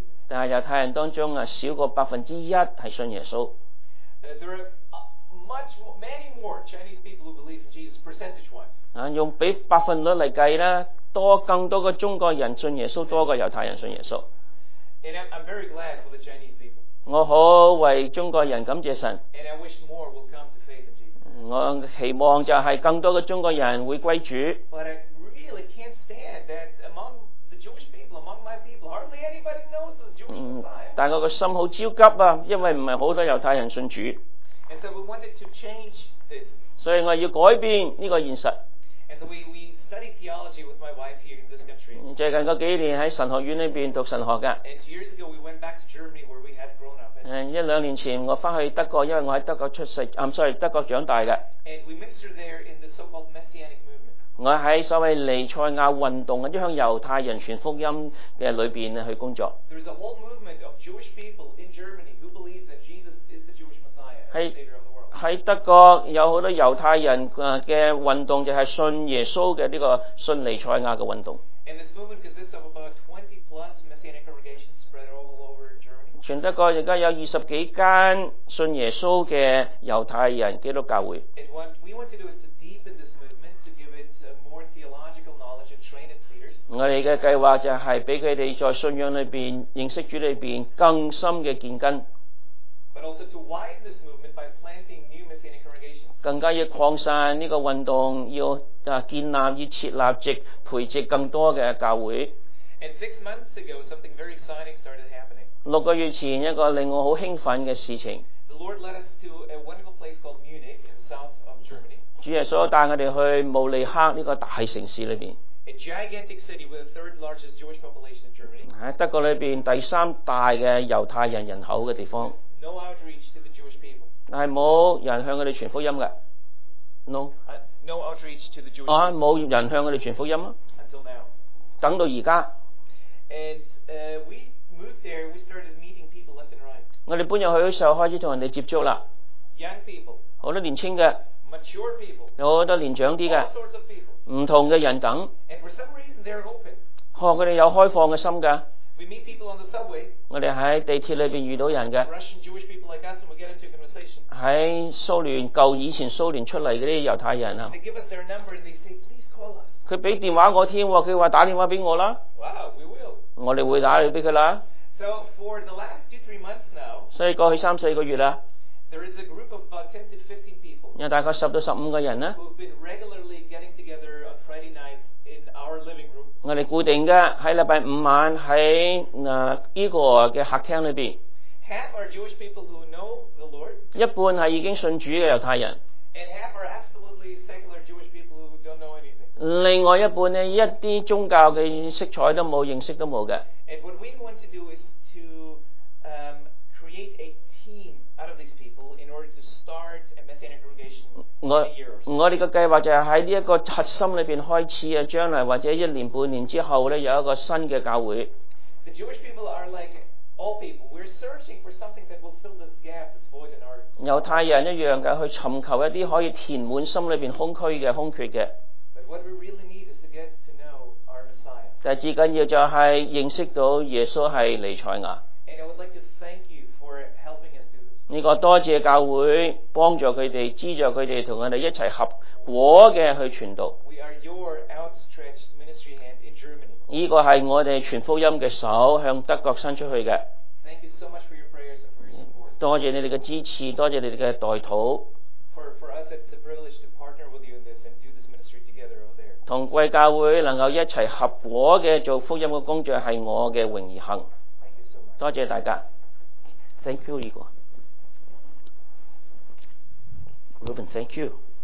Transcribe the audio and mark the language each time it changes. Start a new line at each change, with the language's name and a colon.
Chinese: 但是犹太人当中少过1%是信耶稣。
English: There are much more, many more Chinese people who believe in Jesus percentage wise.
Chinese: 用比百分率来计呢，多更多个中国人信耶稣多过犹太人信耶稣。
English: And I'm very glad for the Chinese people.
Chinese: 我好为中国人感谢神。
English: And I wish more will come to faith in Jesus.
Chinese: 我期望就是更多的中国人会归主。
English: But I really can't stand that among the Jewish people, among my people, hardly anybody knows.
Chinese: 但我的心很焦急，因为不是很多犹太人信主。
English: And so we wanted to change this.
Chinese: 所以我要改变这个现实。
English: And so we studied theology with my wife here in this country.
Chinese: 最近那几年在神学院里面读神学的。
English: And 2 years ago we went back to Germany where we had grown up.
Chinese: 一两年前我回去德国，因为我在德国出世，德国长大的。
English: And we ministered there in the so-called Messianic movement.
Chinese: 我在所谓尼赛亚运动，一向犹太人传福音的里面去工作。
English: There is a whole movement of Jewish people in Germany who believe that Jesus is the Jewish Messiah and the Savior of the world.
Chinese: 在德国有很多犹太人的运动，就是信耶稣的这个信尼赛亚的运动。
English: And this movement consists of about 20 plus messianic congregations spread all over Germany.
Chinese: 全德国现在有20几间信耶稣的犹太人基督教会。
English: And what we want to do is to deepen this movement to give it more theological knowledge and train its leaders.
Chinese: 我们的计划就是给他们在信仰里面认识主里面更深的建根。
English: But also to widen this movement by planting new messianic congregations.
Chinese: 更加要扩散这个运动，要建立，要设立籍，培植更多的教会。
English: And 6 months ago, something very exciting started happening.
Chinese: 六个月前，一个令我很兴奋的事情。
English: The Lord led us to a wonderful place called Munich in the south of Germany.
Chinese: 主耶稣带我们去慕尼黑这个大城市里面。
English: A gigantic city with the third largest Jewish population in Germany.
Chinese: 在德国里面第三大的犹太人人口的地方。
English: No outreach to the Jewish people.
Chinese: 但是没有人向他们传福音的。
English: No. No outreach to the Jewish people.
Chinese: 没有人向他们传福音。
English: Until now.
Chinese: 等到现在。
English: And we moved there, we started meeting people left and right.
Chinese: 我们搬进去的时候开始跟人家接触了。
English: Young people.
Chinese: 很多年轻的。
English: Mature people.
Chinese: 有很多年长的。
English: All sorts of people.
Chinese: 不同的人等。
English: And for some reason they're open.
Chinese: 他们有开放的心的。
English: We meet people on the subway.
Chinese: 我们在地铁里面遇到人的。
English: Russian Jewish people like us, and we get into a conversation.
Chinese: 在苏联旧以前苏联出来的犹太人。
English: They give us their number and they say, please call us.
Chinese: 他给电话我听，他说打电话给我啦。
English: Wow, we will.
Chinese: 我们会打电话给他啦。
English: So for the last 2-3 months now.
Chinese: 所以过去三四个月啦。
English: There is a group of about 10-15 people.
Chinese: 有大概10-15个人呢。
English: Who've been regularly getting together on Friday night in our living room.
Chinese: 我们固定的在星期五晚在这个的客厅里面
English: half are Jewish people who know the Lord,
Chinese: 一半是已经信主的犹太人
English: and half are absolutely secular Jewish people who don't know anything.
Chinese: 另外一半呢一些宗教的色彩都没有认识都没有的
English: and what we want to do is to create a team out of these people in order to start a messianic congregation.
Chinese: 我们的计划就是在这个核心里面开始将来或者一年半年之后有一个新的教会
English: The Jewish people are like all people. We're searching for something that will fill this gap, this void in our
Chinese: 犹太人一样的去寻求一些可以填满心里面空虚的空缺的
English: But what we really need is to get to know our Messiah.
Chinese: 但最重要就是认识到耶稣是尼赛亚
English: And I would like to thank you for helping us do this.
Chinese: 这个多谢教会帮助他们资助他们同我们一起合果的去传道
English: We are your outstretched ministry hand in Germany.
Chinese: 这个是我们传福音的手向德国伸出去的
English: Thank you so much for your prayers and for your support.
Chinese: 多谢你们的支持多谢你们的代祷
English: for us it's a privilege to partner with you in this and do this ministry together over there.
Chinese: 同贵教会能够一起合果的做福音的工作是我的荣而行
English: Thank you so much.
Chinese: 多谢大家
English: Thank you,
Chinese: 这个Reuben,
English: thank you.